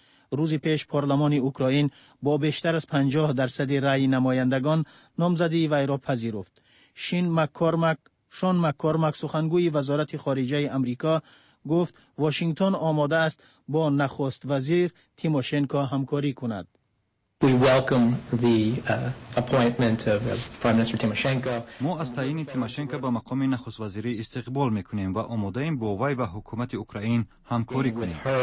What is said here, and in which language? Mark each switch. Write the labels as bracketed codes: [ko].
[fa] روز پیش پارلمان اوکراین با بیشتر از 50% رأی نمایندگان نامزدی وی را پذیرفت. شان مکارمک سخنگوی وزارت خارجه امریکا گفت واشنگتن آماده است با نخست وزیر تیموشنکو همکاری کند. [en] We welcome the appointment of Prime Minister Tymoshenko. [fa] ما از تعیین تیموشنکو به مقام نخست وزیری استقبال میکنیم و آماده ایم با وی و حکومت اوکراین همکاری کنیم.